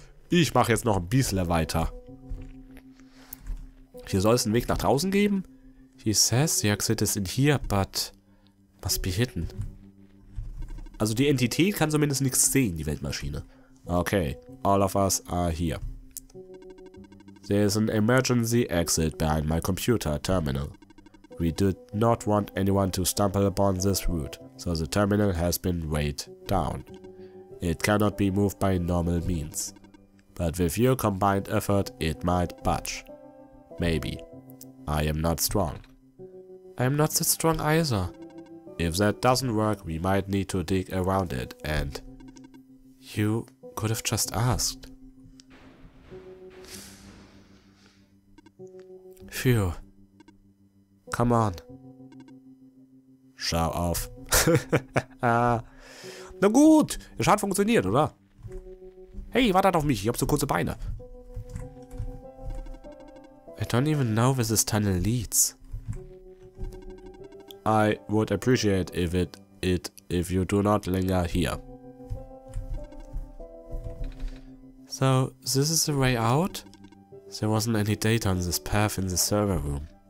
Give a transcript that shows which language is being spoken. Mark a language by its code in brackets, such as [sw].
[de] Ich mache jetzt noch ein bisschen weiter. Hier soll es einen Weg nach draußen geben? [en] He says the exit is in here, but must be hidden. [de] Also die Entität kann zumindest nichts sehen, die Weltmaschine. [en] Okay, all of us are here. There's an emergency exit behind my computer terminal. We did not want anyone to stumble upon this route, so the terminal has been weighed down. It cannot be moved by normal means. But with your combined effort, it might budge. Maybe. I am not strong. I am not that strong either. If that doesn't work, we might need to dig around it and... You could have just asked. Phew. Come on. [de] Schau auf. Na gut, es hat funktioniert, oder? Hey, wartet auf mich, ich hab so kurze Beine. [en] I don't even know where this tunnel leads. I would appreciate if you do not linger here. So, this is the way out? There wasn't any data on this path in the server room.